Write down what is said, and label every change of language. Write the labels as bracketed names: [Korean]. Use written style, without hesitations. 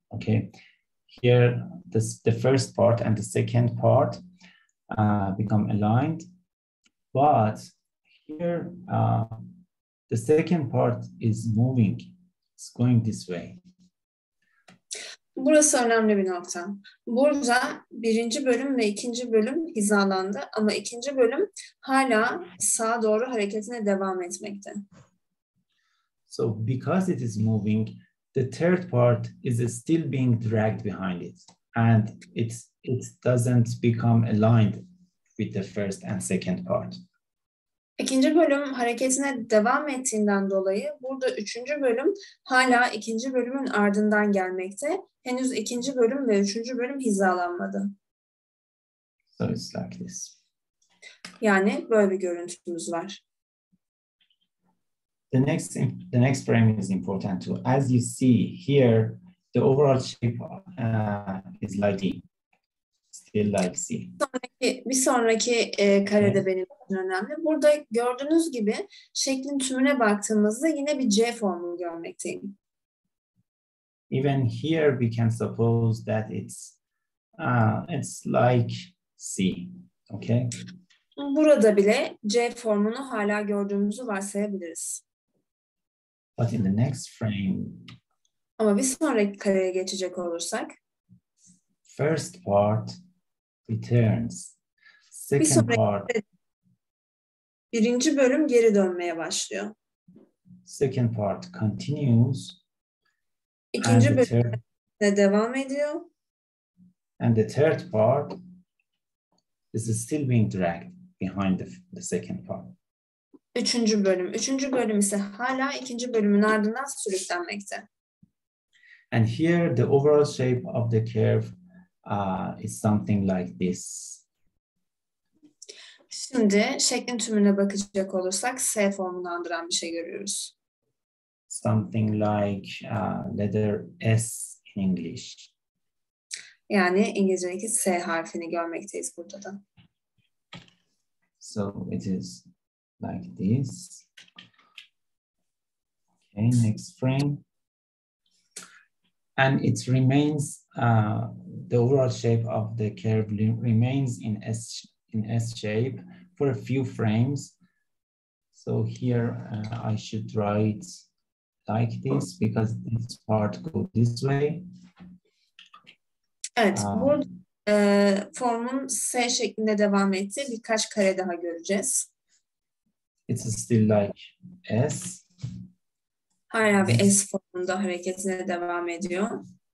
[English] Okay, here the first part and the second part become aligned, but here the second part is moving. It's going this way. [Turkish] Burası önemli bir nokta. Burada birinci bölüm ve ikinci bölüm hizalandı ama ikinci bölüm hala sağa doğru hareketine devam etmekte. [English] So because it is moving, the third part is still being dragged behind it and it doesn't become aligned with the first and second part. [Turkish] İkinci bölüm hareketine devam ettiğinden dolayı burada üçüncü bölüm hala ikinci bölümün ardından gelmekte. Henüz ikinci bölüm ve üçüncü bölüm hizalanmadı. [English] So it's like this. [Turkish] Yani böyle bir görüntümüz var. [English] The next frame is important too. As you see here, the overall shape is lighting. Still like C. [Turkish] Bir sonraki karede benim için önemli. Burada gördüğünüz gibi şeklin tümüne baktığımızda yine bir C formu görmekteyim. [English] Even here we can suppose that it's like C. Okay? [Turkish] Burada bile C formunu hala gördüğümüzü varsayabiliriz. [English] But in the next frame. [Turkish] Ama bir sonraki kareye geçecek olursak. [English] First part returns. Second part. [Turkish] Birinci bölüm geri dönmeye başlıyor. [English] Second part continues. [Turkish] İkinci bölüm devam ediyor. [English] And the third part is still being dragged behind the second part. [Turkish] Üçüncü bölüm. Üçüncü bölüm ise hala ikinci bölümün ardından sürüklenmekte. [English] And here the overall shape of the curve is something like this. [Turkish] Şimdi şeklin tümüne bakacak olursak S formunu andıran bir şey görüyoruz. [English] Something like letter S in English. [Turkish] Yani İngilizce'deki S harfini görmekteyiz burada da. [English] So it is like this. Okay, next frame. And it remains the overall shape of the curve remains in S shape for a few frames. So here I should write like this because this part goes this way. [Turkish] Evet, bu formun S şeklinde devam etti. Birkaç kare daha göreceğiz. [English] It's still like S. [Turkish] Hala bir S formunda hareketine devam ediyor.